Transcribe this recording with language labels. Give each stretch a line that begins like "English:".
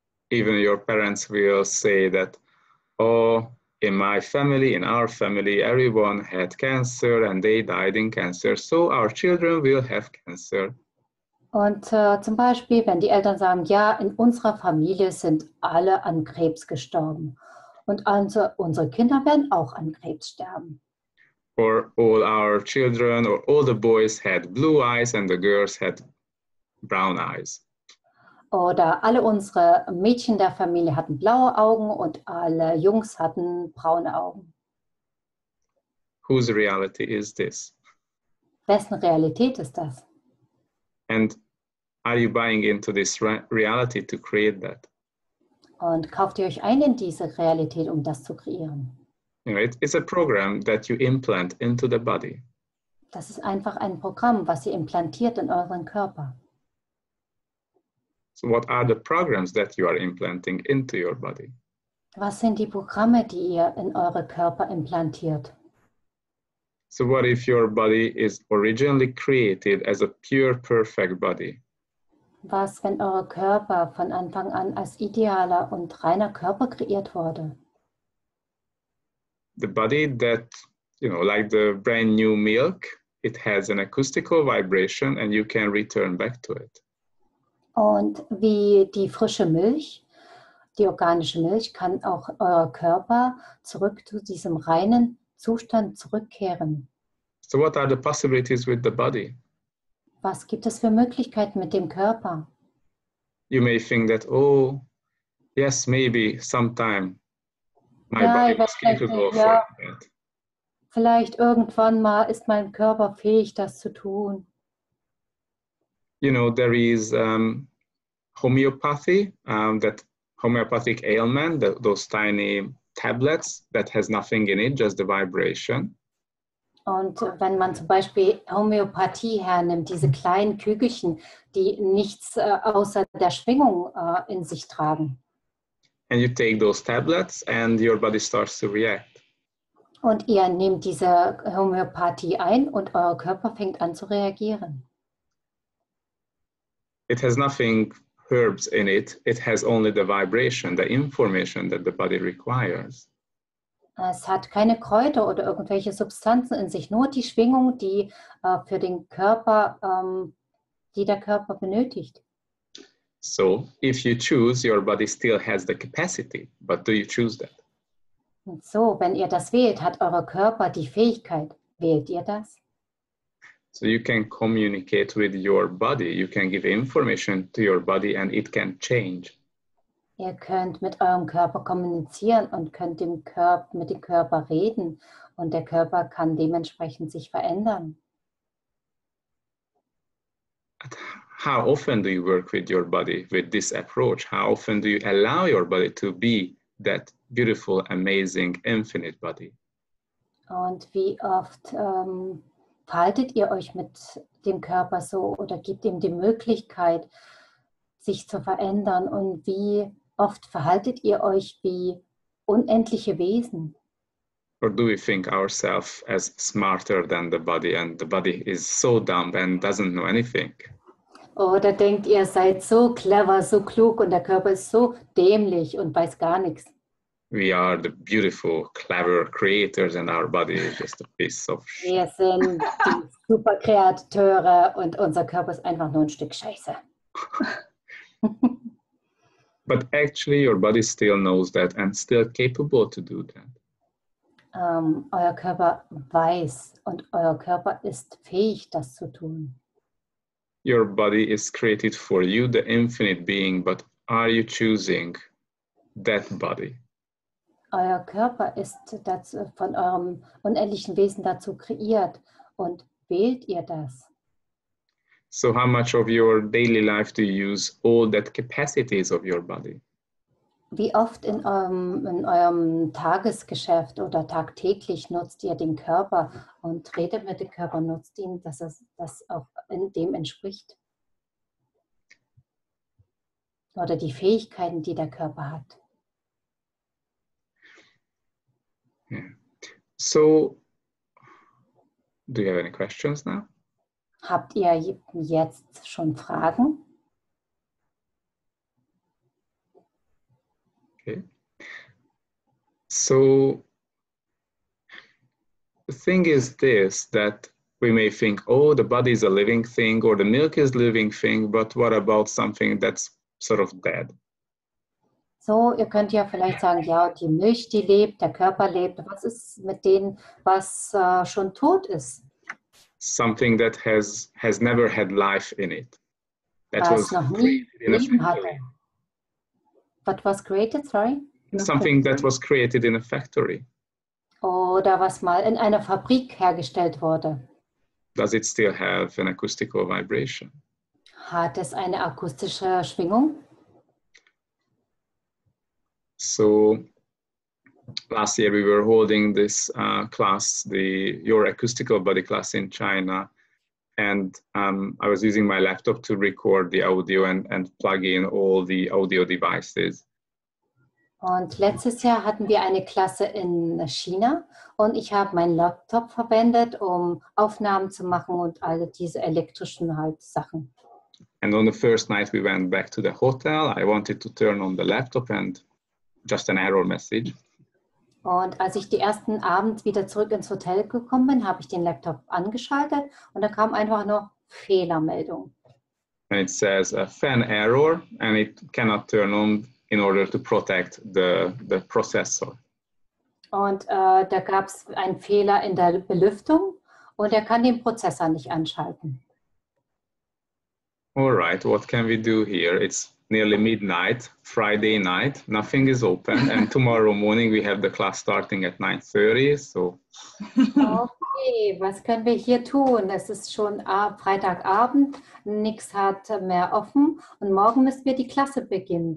English: Even your parents will say that, oh, in my family, in our family, everyone had cancer and they died in cancer, so our children will have cancer.
German: Und zum Beispiel, wenn die Eltern sagen, ja, in unserer Familie sind alle an Krebs gestorben und also unsere Kinder werden auch an Krebs sterben.
English: Or all our children or all the boys had blue eyes and the girls had brown eyes.
German: Oder alle unsere Mädchen der Familie hatten blaue Augen und alle Jungs hatten braune Augen.
English: Whose reality is this?
German: Wessen Realität ist das?
English: And are you buying into this reality to create that?
German: Und kauft ihr euch ein in diese Realität, um das zu kreieren?
English: You know, it's a program that you implant into the body.
German: Das ist einfach ein Programm, was ihr implantiert in euren Körper.
English: So what are the programs that you are implanting into your body?
German: Was sind die Programme, die ihr in eure Körper implantiert?
English: So what if your body is originally created as a pure, perfect body?
German: Was, wenn euer Körper von Anfang an als idealer und reiner Körper kreiert wurde?
English: The body that, you know, like the brand new milk, it has an acoustical vibration and you can return back to it.
German: Und wie die frische Milch, die organische Milch, kann auch euer Körper zurück zu diesem reinen Zustand zurückkehren.
English: So what are the possibilities with the body?
German: Was gibt es für Möglichkeiten mit dem Körper?
English: You may think that, oh, yes, maybe, sometime. My ja, body is capable of that.
German: Vielleicht irgendwann mal ist mein Körper fähig, das zu tun.
English: You know, there is homeopathy, that homeopathic ailment, those tiny tablets that has nothing in it, just the vibration.
German: Und wenn man zum Beispiel Homöopathie hernimmt, diese kleinen Kügelchen, die nichts außer der Schwingung in sich tragen.
English: And you take those tablets and your body starts to react.
German: Und ihr nehmt diese Homöopathie ein und euer Körper fängt an zu reagieren.
English: It has nothing herbs in it. It has only the vibration, the information that the body requires.
German: Es hat keine Kräuter oder irgendwelche Substanzen in sich, nur die Schwingung, die für den Körper, die der Körper benötigt.
English: So, if you choose, your body still has the capacity, but do you choose that?
German: Und so, wenn ihr das wählt, hat euer Körper die Fähigkeit. Wählt ihr das?
English: So you can communicate with your body, you can give information to your body and it can change.
German: Ihr könnt mit eurem Körper kommunizieren und könnt dem Körper, mit dem Körper reden und der Körper kann dementsprechend sich verändern.
English: How often do you work with your body with this approach? How often do you allow your body to be that beautiful, amazing, infinite body?
German: Und wie oft verhaltet ihr euch mit dem Körper so oder gibt ihm die Möglichkeit, sich zu verändern und wie oft verhaltet ihr euch wie unendliche Wesen?
English: Or do we think ourselves as smarter than the body and the body is so dumb and doesn't know anything?
German: Oder denkt ihr, seid so clever, so klug und der Körper ist so dämlich und weiß gar nichts?
English: We are the beautiful, clever creators and our body is just a piece of shit.
German: Wir sind die super Kreateure und unser Körper ist einfach nur ein Stück Scheiße.
English: But actually your body still knows that and still capable to do that.
German: Euer Körper weiß und euer Körper ist fähig, das zu tun.
English: Your body is created for you, the infinite being, but are you choosing that body?
German: Euer Körper ist dazu, von eurem unendlichen Wesen dazu kreiert und wählt ihr das?
English: So how much of your daily life do you use all that capacities of your body?
German: Wie oft in eurem Tagesgeschäft oder tagtäglich nutzt ihr den Körper und redet mit dem Körper, nutzt ihn, dass es das auch in dem entspricht? Oder die Fähigkeiten, die der Körper hat?
English: Yeah. So, do you have any questions now?
German: Habt ihr jetzt schon Fragen?
English: Okay. So, the thing is this, that we may think, oh, the body is a living thing or the milk is a living thing, but what about something that's sort of dead?
German: So, ihr könnt ja vielleicht sagen, ja, die Milch, die lebt, der Körper lebt. Was ist mit denen, was schon tot ist?
English: Something that has never had life in it.
German: That was noch nie Leben hatte.
English: What was created, sorry? Something that was created in a factory.
German: Oder was mal in einer Fabrik hergestellt wurde.
English: Does it still have an acoustical vibration?
German: Hat es eine akustische Schwingung?
English: So, last year we were holding this class, your acoustical body class in China, and I was using my laptop to record the audio and plug in all the audio devices.
German: Und letztes Jahr hatten wir eine Klasse in China und ich habe meinen Laptop verwendet, um Aufnahmen zu machen und all diese elektrischen Sachen.
English: And on the first night we went back to the hotel. I wanted to turn on the laptop and just an error message.
German: Und als ich die ersten Abend wieder zurück ins Hotel gekommen bin, habe ich den Laptop angeschaltet und da kam einfach nur Fehlermeldung.
English: And it says a fan error and it cannot turn on in order to protect the processor.
German: Und da gab es einen Fehler in der Belüftung und er kann den Prozessor nicht anschalten.
English: All right, what can we do here? It's nearly midnight, Friday night, nothing is open, and tomorrow morning we have the class starting at 9:30, so.
German: Okay, was können wir hier tun? Es ist schon Freitagabend, nichts hat mehr offen, und morgen müssen wir die Klasse beginnen.